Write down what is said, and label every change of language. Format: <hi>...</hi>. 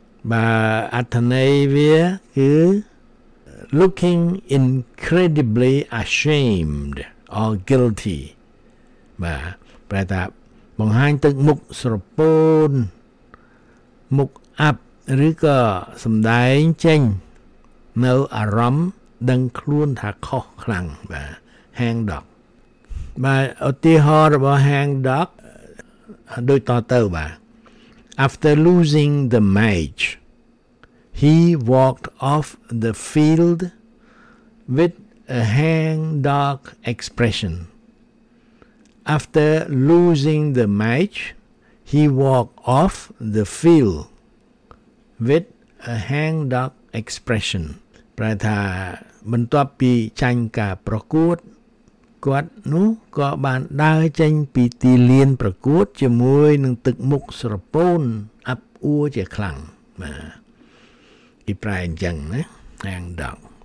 <km>បាទអត្ថន័យវាគឺ</km> <en>looking incredibly ashamed or guilty</en> <km>បាទប្រែថាបង្ហាញទឹកមុខស្រពោនមុខអាប់ឬក៏សម្ដែងចេញនៅអារម្មណ៍ដឹងខ្លួនថាខុសខ្លាំងបាទ hang dog បាទឧទាហរណ៍របស់</km> <en>Hang Dog</en> <km>ដូចតទៅបាទ</km> <en>After losing the match he walked off the field with a Hang Dog expression. After losing the match he walked off the field with a Hang Dog expression</en> <km>ប្រែថាបន្ទាប់ពីចាញ់ការប្រកួតគាត់នោះក៏បានដើរចេញពីទីលានប្រកួតជាមួយនឹងទឹកមុខស្រពោនអាប់អួរជាខ្លាំងបាទឥប្រែអញ្ចឹងណា Hang Dog</km>